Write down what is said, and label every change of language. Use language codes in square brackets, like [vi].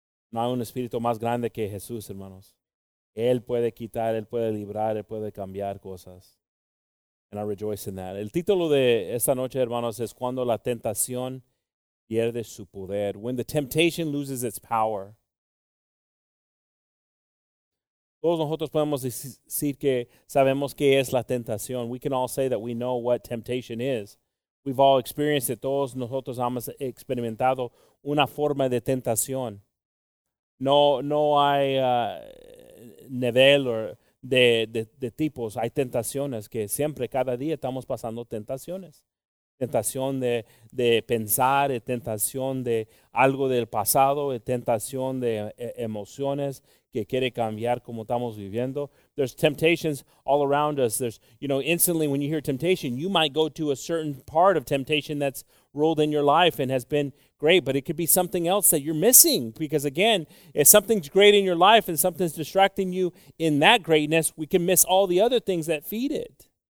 [es] No hay un espíritu más grande que Jesús, hermanos. Él puede quitar, Él puede librar, Él puede cambiar cosas. [en] And I rejoice in that. [es] El título de esta noche, hermanos, es cuando la tentación pierde su poder. [en] When the temptation loses its power. [es] Todos nosotros podemos decir que sabemos qué es la tentación. [en] We can all say that we know what temptation is. We've all experienced it. [es] Todos nosotros hemos experimentado una forma de tentación. No hay nivel de tipos. Hay tentaciones que siempre, cada día estamos pasando tentaciones. Tentación de pensar, tentación de algo del pasado, tentación de emociones que quiere cambiar como estamos viviendo. [en] There's temptations all around us. There's, you know, instantly when you hear temptation, you might go to a certain part of temptation that's ruled in your life and has been great, but it could be something else that you're missing. Because again, if something's great in your life and something's distracting you in that greatness, we can miss all the other things that feed it.